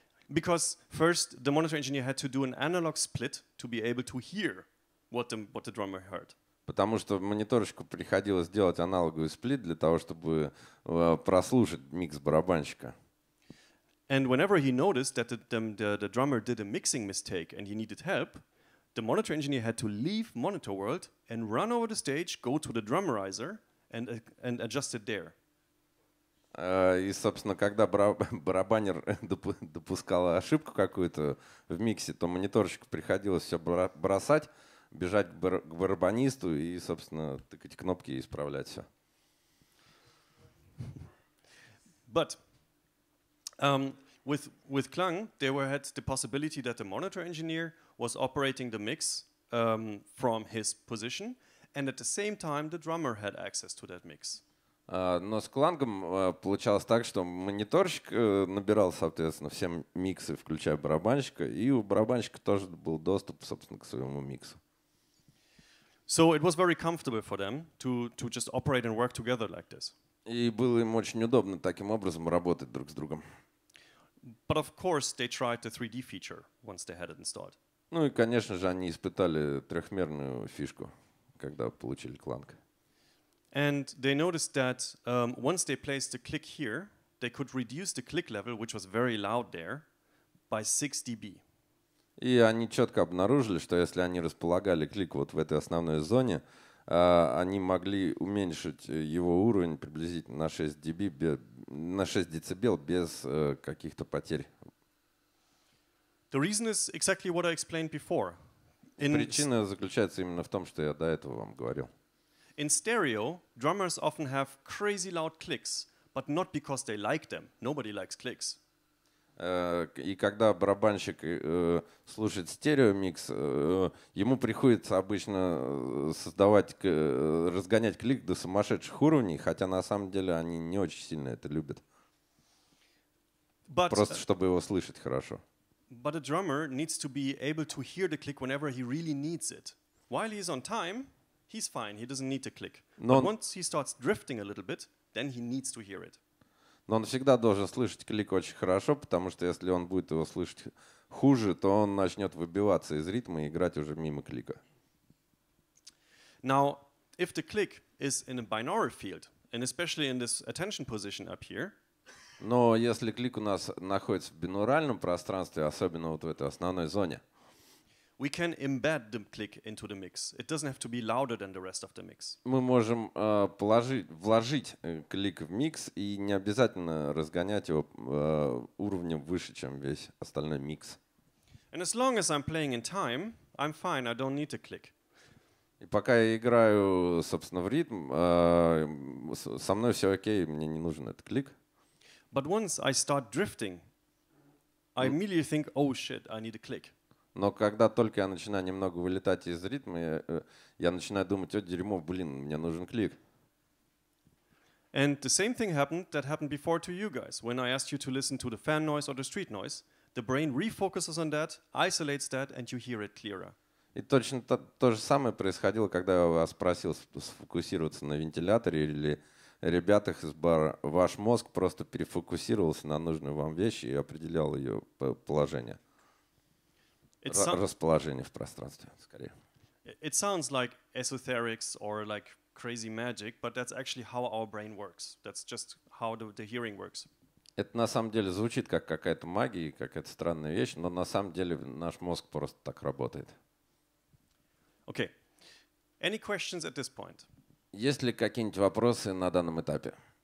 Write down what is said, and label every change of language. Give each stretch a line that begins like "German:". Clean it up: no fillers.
English: Because first the monitor engineer had to do an analog split to be able to hear what the drummer heard.
Russian: Потому что мониторщику приходилось делать аналоговый сплит для того, чтобы прослушать микс барабанщика.
English: And whenever he noticed that the drummer did a mixing mistake and he needed help, the monitor engineer had to leave monitor world and run over the stage, go to the drummerizer and adjust it there.
Russian: И, собственно, когда барабанер допускал ошибку какую-то в миксе, то мониторщику приходилось все бросать, бежать к барабанисту и, собственно, тыкать кнопки и исправлять все.
English: But with KLANG, had the possibility that the monitor engineer was operating the mix from his position, and at the same time the drummer had access to that mix.
Russian: Но с клангом получалось так, что мониторщик набирал, соответственно, все миксы, включая барабанщика, и у барабанщика тоже был доступ, собственно, к своему миксу.
English: So it was very comfortable for them to just operate and work together like this.
Russian: И было им очень удобно таким образом работать друг с другом.
English: But of course they tried the 3D feature once they had it installed.
Russian: Ну и, конечно же, они испытали трехмерную фишку, когда получили кланг.
English: And they noticed that once they placed the click here, they could reduce the click level, which was very loud there, by 6 dB.
Russian: И они четко обнаружили, что если они располагали клик вот в этой основной зоне, они могли уменьшить его уровень приблизительно на 6 dB, на 6 дБ без каких-то потерь.
English: The reason is exactly what I explained before.
Russian: Причина заключается именно в том, что я до этого вам говорил.
English: In stereo, drummers often have crazy loud clicks, but not because they like them. Nobody likes clicks.
Russian: И когда барабанщик слушает стереомикс, ему приходится обычно разгонять клик до сумасшедших уровней, хотя на самом деле они не очень сильно это любят.
English: But
Russian: просто чтобы его слышать хорошо.
English: But a drummer needs to be able to hear the click whenever he really needs it. While he's on time, he's fine, he doesn't need to click.
Russian: Но
English: but once he starts drifting a little bit, then he needs to hear it.
Russian: Но он всегда должен слышать клик очень хорошо, потому что если он будет его слышать хуже, то он начнет выбиваться из ритма и играть уже мимо клика.
English: Now, if the click is in a binaural field, and especially in this attention position up here,
Russian: но если клик у нас находится в бинауральном пространстве, особенно вот в этой основной зоне,
English: we can embed the click into the mix. It doesn't have to be louder than the rest of the mix.
Russian: Мы можем вложить клик в микс и не обязательно разгонять его уровнем выше, чем весь остальной микс.
English: And as long as I'm playing in time, I'm fine. I don't need a click.
Russian: И пока я играю, собственно, в ритм, со мной все окей, мне не нужен этот клик.
English: But once I start drifting, I immediately think, oh shit, I need a click.
Russian: Но когда только я начинаю немного вылетать из ритма, я начинаю думать, о, дерьмо, блин, мне нужен клик.
English: And the same thing happened that happened before to you guys. When I asked you to listen to the fan noise or the street noise, the brain refocuses on that, isolates that, and you hear it clearer.
Russian: И точно то же самое происходило, когда я вас спросил сфокусироваться на вентиляторе или ребятах из бара. Ваш мозг просто перефокусировался на нужную вам вещь и определял ее положение. Расположение в пространстве, скорее.
English: It sounds like esoterics or like crazy magic, but that's actually how our brain works. That's just how the hearing works.
Russian: Это на самом деле звучит как какая-то магия, какая-то странная вещь, но на самом деле наш мозг просто так работает.
English: Okay. Any questions at this point?
Russian: Есть ли какие-нибудь вопросы на данном этапе?